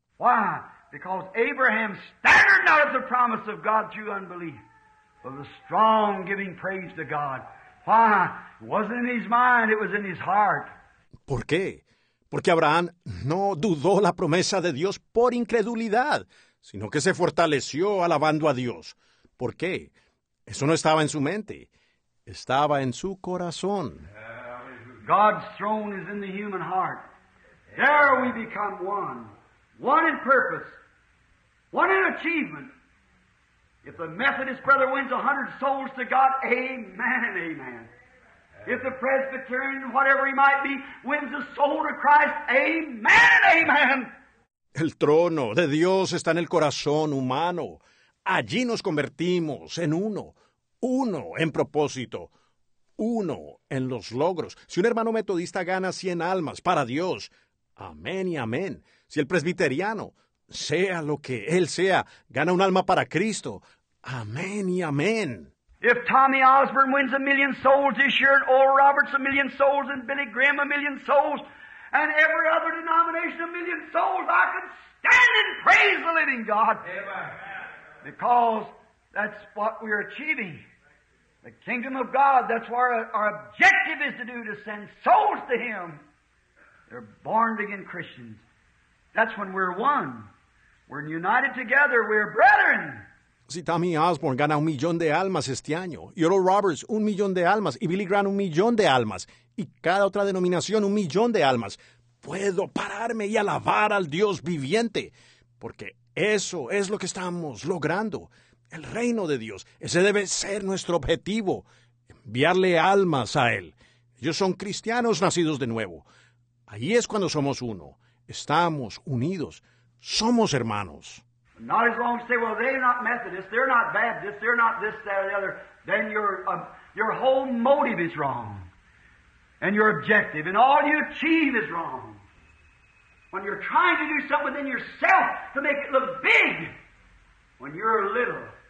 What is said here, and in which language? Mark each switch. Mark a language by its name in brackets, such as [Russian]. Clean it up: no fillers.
[English] Why? Because Abraham staggered not at the promise of God through unbelief, but was strong giving praise to God. Why? It wasn't in his mind, it was in his heart. [Spanish] ¿Por qué? Porque Abraham no dudó la promesa de Dios por incredulidad, sino que se fortaleció alabando a Dios. ¿Por qué? Eso no estaba en su mente, estaba en su corazón. [English] God's throne is in the human heart. There we become one. One in purpose, one in achievement. If the Methodist brother wins 100 souls to God, amen and amen. If the Presbyterian, whatever he might be, wins a soul to Christ, amen and amen. [Spanish] El trono de Dios está en el corazón humano. Allí nos convertimos en uno, uno en propósito, uno en los logros. Si un hermano metodista gana 100 almas para Dios, amén y amén. Si el presbiteriano, sea lo que él sea, gana un alma para Cristo, amén y amén. [English] If Tommy Osborne wins 1 million souls this year, and Oral Roberts 1 million souls, and Billy Graham 1 million souls, and every other denomination, a million souls, I can stand and praise the living God. Amen. Because that's what we're achieving. The kingdom of God, that's what our objective is to do, to send souls to Him. They're born-again Christians. That's when we're one. We're united together. We're brethren. [Spanish] Si Tommy Osborne gana 1,000,000 de almas este año, y Oral Roberts 1,000,000 de almas, y Billy Graham 1,000,000 de almas, y cada otra denominación 1,000,000 de almas, puedo pararme y alabar al Dios viviente, porque eso es lo que estamos logrando. El reino de Dios, ese debe ser nuestro objetivo, enviarle almas a Él. Ellos son cristianos nacidos de nuevo. Ahí es cuando somos uno, estamos unidos, somos hermanos. [English] Not as long as say, well, they're not Methodists, they're not Baptists, they're not this, that, or the other. Then your whole motive is wrong. And your objective and all you achieve is wrong. When you're trying to do something within yourself to make it look big, when you're little.